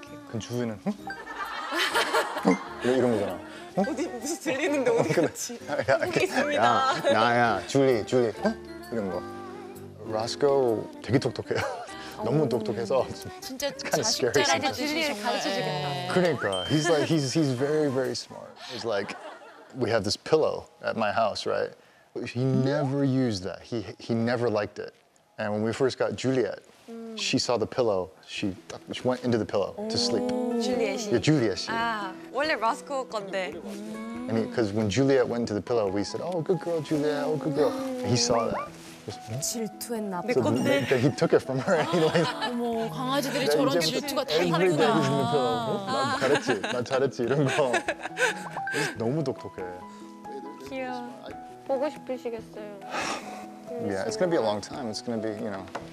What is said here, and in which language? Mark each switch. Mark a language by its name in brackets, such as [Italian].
[Korean] 그 주위는 응? 이런 거잖아. 어디 무슨 들리는데 어디 갔지? 야, 나야, 줄리, 줄리. 어? 이런 거. 라스코 되게 똑똑해요. 너무 똑똑해서 진짜 자식 자라 이제 줄리를 가르쳐 주겠다. 그러니까 [English] he's very very smart. He's like we have this pillow at my house, right? He never used that. He never liked it. And when we first got Juliet. She saw the pillow. She went into the pillow to sleep. Juliet. Yeah, Juliet. [Korean] 아, 원래 Roscoe 건데. [English] I mean, because when Juliet went into the pillow, we said, "Oh, good girl, Juliet. Oh, good girl." He saw that. [Korean] 질투했나 봐. 근데 그러니까 [English] he took it from her. [Korean] 어머, 강아지들이 저런 게 질투가 다 다르구나. 나 잘했지. 나 잘했지. 이런 거. 너무 독특해. 귀여워. 보고 싶으시겠어요. [English] Yeah, it's gonna be a long time. It's gonna be, you know.